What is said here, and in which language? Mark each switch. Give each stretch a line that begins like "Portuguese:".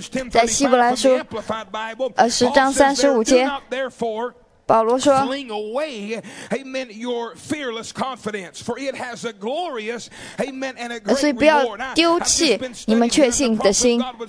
Chinese: 在希伯来书十章三十五节，保罗说
English: fling away, amen, your fearless confidence, for it has a glorious, amen, and a great reward.
Chinese: 所以不要丢弃你们确信的心。